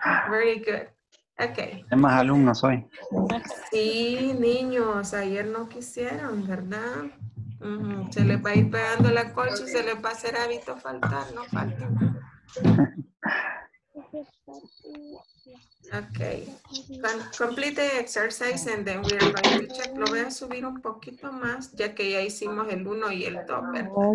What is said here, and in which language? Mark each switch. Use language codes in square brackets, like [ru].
[en] Very good. Okay. [es] Hay más alumnos hoy. Sí, niños. Ayer no quisieron, ¿verdad? Se les va a ir pegando la colcha y se les va a hacer hábito faltar. No falta. [en] Okay, complete the exercise and then we are going to check. [es] Lo voy a subir un poquito más, ya que ya hicimos el 1 y el 2, ¿verdad?